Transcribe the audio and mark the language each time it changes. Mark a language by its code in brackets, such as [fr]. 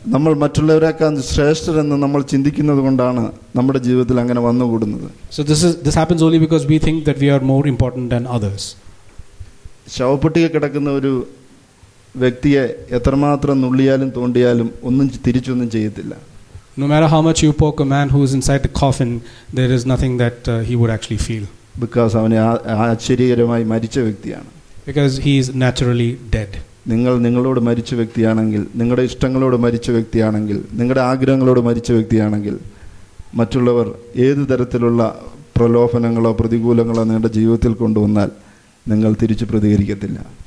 [ml] നമ്മൾ മറ്റുള്ളവരെക്കാൾ ശ്രേഷ്ഠരെന്ന് നമ്മൾ ചിന്തിക്കുന്നത് കൊണ്ടാണ് നമ്മുടെ ജീവിതത്തിൽ അങ്ങനെ വന്നുകൂടുന്നത്. [en] So this happens only because we think that we are more important than others. [ml] ശവപ്പെട്ടിയിൽ കിടക്കുന്ന ഒരു വ്യക്തിയെ എത്രമാത്രം നുള്ളിയാലും തോണ്ടിയാലും ഒന്നും തിരിച്ചൊന്നും ചെയ്യത്തില്ല. [en] No matter how much you poke a man who is inside the coffin, there is nothing that he would actually feel. [ml] Because avane aachariyaramayi maricha vyaktiyana. [en] Because he is naturally dead. [ml] നിങ്ങൾ നിങ്ങളോട് മരിച്ച വ്യക്തിയാണെങ്കിൽ, നിങ്ങളുടെ ഇഷ്ടങ്ങളോട് മരിച്ച വ്യക്തിയാണെങ്കിൽ, നിങ്ങളുടെ ആഗ്രഹങ്ങളോട് മരിച്ച വ്യക്തിയാണെങ്കിൽ, മറ്റുള്ളവർ ഏത് തരത്തിലുള്ള പ്രലോഭനങ്ങളോ പ്രതികൂലങ്ങളോ നിങ്ങളുടെ ജീവിതത്തിൽ കൊണ്ടുവന്നാൽ നിങ്ങൾ തിരിച്ച് പ്രതികരിക്കത്തില്ല.